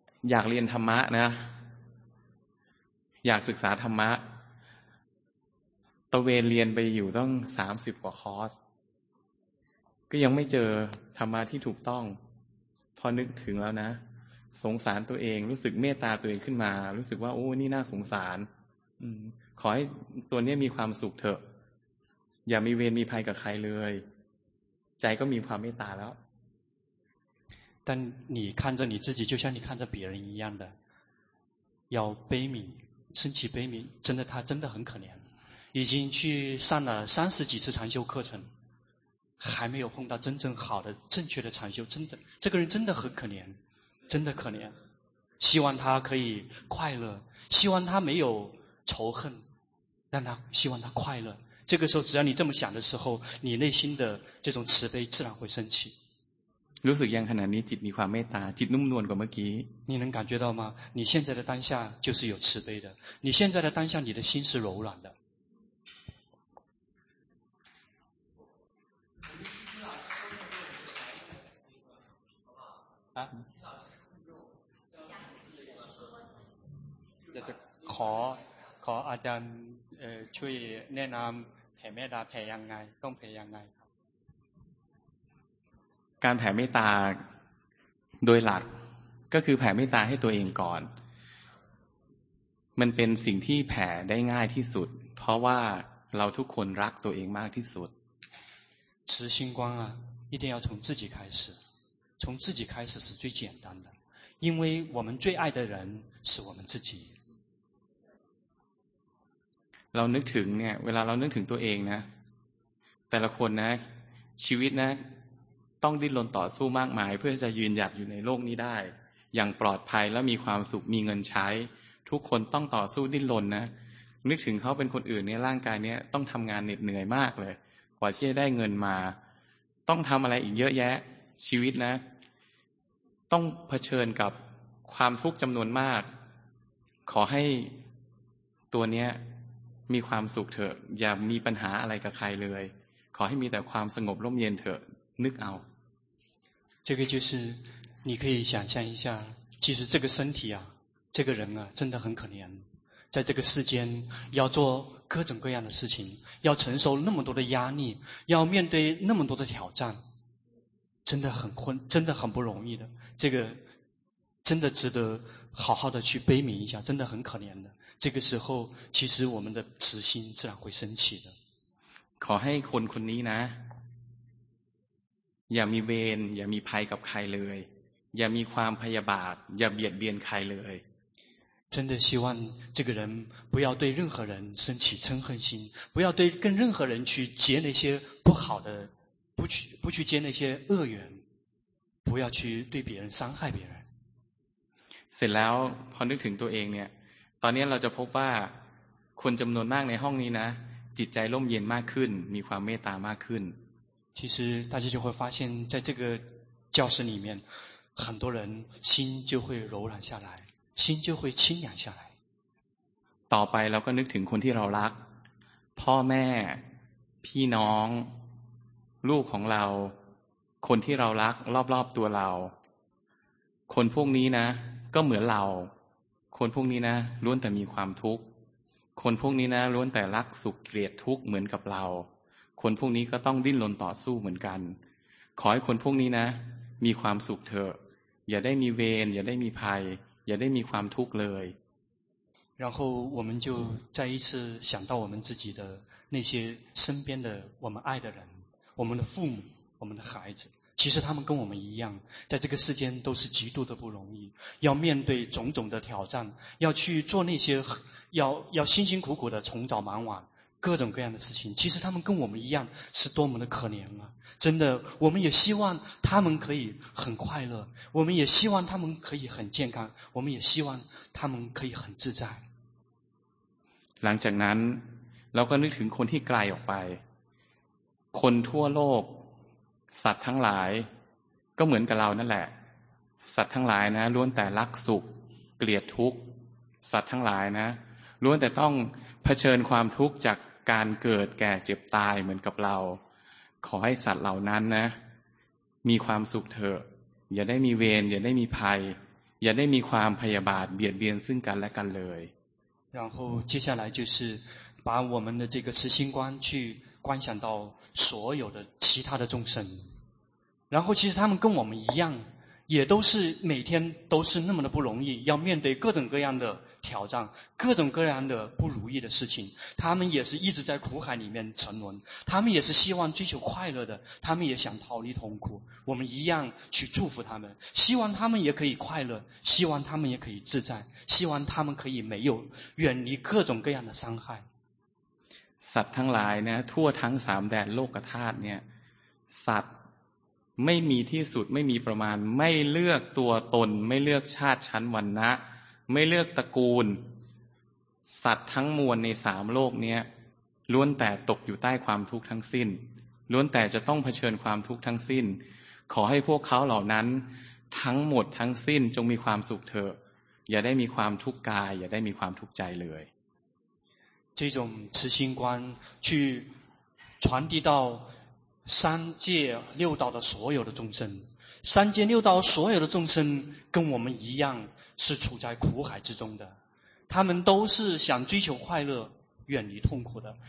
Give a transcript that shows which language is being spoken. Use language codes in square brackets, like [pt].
[th] อยากเรียนธรรมะนะอยากศึกษาธรรมะตะเวนเรียนไปอยู่ต้อง30กว่าคอร์สก็ยังไม่เจอธรรมะที่ถูกต้องพอนึกถึงแล้วนะสงสารตัวเองรู้สึกเมตตาตัวเองขึ้นมารู้สึกว่าโอ้นี่น่าสงสารขอให้ตัวนี้มีความสุขเถอะอย่ามีเวรมีภัยกับใครเลยใจก็มีความเมตตาแล้ว [zh] 但你看着你自己就像你看着别人一样的要悲悯升起悲悯真的他真的很可怜已经去上了三十几次禅修课程还没有碰到真正好的正确的禅修真的这个人真的很可怜真的可怜希望他可以快乐希望他没有仇恨让他希望他快乐这个时候只要你这么想的时候你内心的这种慈悲自然会升起 [th] รู้สึกยังขนาดนี้จิตมีความเมตตาจิตนุ่มนวลกว่าเมื่อกี้ [zh] 你能感觉到吗你现在的当下就是有慈悲的你现在的当下你的心是柔软的 [th] 啊จะขออาจารย์ช่วยแนะนำแผ่เมตตาแผ่ยังไงต้องแผ่ยังไง การแผ่เมตตาโดยหลักก็คือแผ่เมตตาให้ตัวเองก่อนมันเป็นสิ่งที่แผ่ได้ง่ายที่สุดเพราะว่าเราทุกคนรักตัวเองมากที่สุด [zh] 慈心观啊一定要从自己开始从自己开始是最简单的因为我们最爱的人是我们自己 [th] เรานึกถึงเนี่ยเวลาเรานึกถึงตัวเองนะแต่ละคนนะชีวิตนะต้องดิ้นรนต่อสู้มากมายเพื่อจะยืนหยัดอยู่ในโลกนี้ได้อย่างปลอดภัยและมีความสุขมีเงินใช้ทุกคนต้องต่อสู้ดิ้นรนนะนึกถึงเขาเป็นคนอื่นเนี่ยร่างกายเนี่ยต้องทำงานเหน็ดเหนื่อยมากเลยกว่าที่จะได้เงินมาต้องทำอะไรอีกเยอะแยะชีวิตนะ ต้องเผชิญกับความทุกข์จำนวนมากขอให้ตัวเนี้ยมีความสุขเถอะอย่ามีปัญหาอะไรกับใครเลยขอให้มีแต่ความสงบร่มเย็นเถอะนึกเอา [zh] 这个就是你可以想象一下其实这个身体啊这个人啊真的很可怜在这个世间要做各种各样的事情要承受那么多的压力要面对那么多的挑战真的很困真的很不容易的这个真的值得好好的去悲悯一下真的很可怜的这个时候其实我们的慈心自然会升起的 [th] ขอให้คนคนนี้นะอย่ามีเวรอย่ามีภัยกับใครเลยอย่ามีความพยาบาทอย่าเบียดเบียนใครเลย [zh] 真的希望这个人不要对任何人生起嗔恨心不要对跟任何人去结那些不好的不去结那些恶缘不要去对别人伤害别人 [th] เสร็จแล้วพอนึกถึงตัวเองเนี่ยตอนนี้เราจะพบว่าคนจำนวนมากในห้องนี้นะจิตใจร่มเย็นมากขึ้นมีความเมตตามากขึ้น [zh] 其实大家就会发现在这个教室里面很多人心就会柔软下来心就会清凉下来 [th] ต่อไปเราก็นึกถึงคนที่เรารักพ่อแม่พี่น้องลูกของเราคนที่เรารักรอบๆตัวเราคนพวกนี้นะก็เหมือนเราคนพวกนี้นะล้วนแต่มีความทุกข์คนพวกนี้นะล้วนแต่รักสุขเกลียดทุกข์เหมือนกับเราคนพวกนี้ก็ต้องดิ้นรนต่อสู้เหมือนกันขอให้คนพวกนี้นะมีความสุขเถอะอย่าได้มีเวรอย่าได้มีภัยอย่าได้มีความทุกข์เลย [zh] 然后我们就再一次想到我们自己的那些身边的我们爱的人我们的父母我们的孩子其实他们跟我们一样在这个世间都是极度的不容易要面对种种的挑战要去做那些要辛辛苦苦的从早忙晚各种各样的事情其实他们跟我们一样是多么的可怜啊真的我们也希望他们可以很快乐我们也希望他们可以很健康我们也希望他们可以很自在 [th] หลังจากนั้นเราก็นึกถึงคนที่ไกลออกไปคนทั่วโลกสัตว์ทั้งหลายก็เหมือนกับเรานั่นแหละสัตว์ทั้งหลายนะล้วนแต่รักสุขเกลียดทุกข์สัตว์ทั้งหลายนะล้วนแต่ต้องเผชิญความทุกข์จากการเกิดแก่เจ็บตายเหมือนกับเราขอให้สัตว์เหล่านั้นนะมีความสุขเถอะอย่าได้มีเวรอย่าได้มีภัยอย่าได้มีความพยาบาทเบียดเบียนซึ่งกันและกันเลย [zh] 然后接下来就是把我们的这个慈心观去观想到所有的其他的众生然后其实他们跟我们一样也都是每天都是那么的不容易要面对各种各样的挑战各种各样的不如意的事情他们也是一直在苦海里面沉沦他们也是希望追求快乐的他们也想逃离痛苦我们一样去祝福他们希望他们也可以快乐希望他们也可以自在希望他们可以没有远离各种各样的伤害 [th] สัตว์ทั้งหลายนะทั่วทั้งสามแดนโลกธาตุเนี่ยสัตว์ไม่มีที่สุดไม่มีประมาณไม่เลือกตัวตนไม่เลือกชาติชั้นวรรณะไม่เลือกตระกูลสัตว์ทั้งมวลในสามโลกนี้ล้วนแต่ตกอยู่ใต้ความทุกข์ทั้งสิ้นล้วนแต่จะต้องเผชิญความทุกข์ทั้งสิ้น ขอให้พวกเขาเหล่านั้นทั้งหมดทั้งสิ้นจงมีความสุขเถอะอย่าได้มีความทุกข์กายอย่าได้มีความทุกข์ใจเลย [zh] 这种慈心观去传递到三界六道的所有的众生，三界六道所有的众生跟我们一样是处在苦海之中的，他们都是想追求快乐，远离痛苦的。